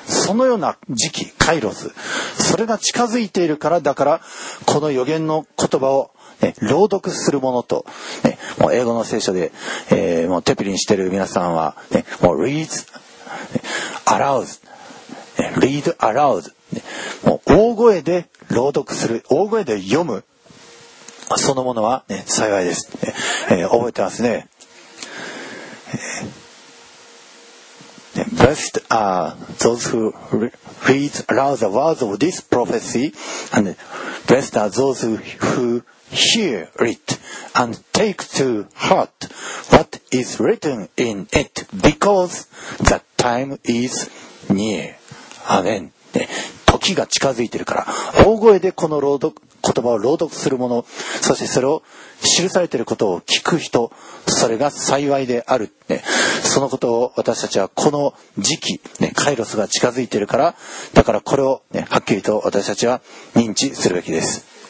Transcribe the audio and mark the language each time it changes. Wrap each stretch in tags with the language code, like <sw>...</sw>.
<ja>そのような時期、カイロス、それが近づいているから、だからこの予言の言葉を、ね、朗読するものと、ね、もう英語の聖書で、もうテピリンしている皆さんは、ね、もう</ja> <en>read aloud、 read aloud、</en> <ja>もう大声で朗読する、大声で読む、そのものは、ね、幸いです、覚えてますね。</ja> <en>Blessed are those who read aloud the words of this prophecy, and blessed are those who hear it and take to heart what is written in it, because the time is near. Amen.</en> <ja>時が近づいているから、大声でこの朗読、言葉を朗読する者、そしてそれを記されていることを聞く人、それが幸いである、ね、そのことを私たちはこの時期、ね、カイロスが近づいているから、だからこれを、ね、はっきりと私たちは認知するべきです。</ja>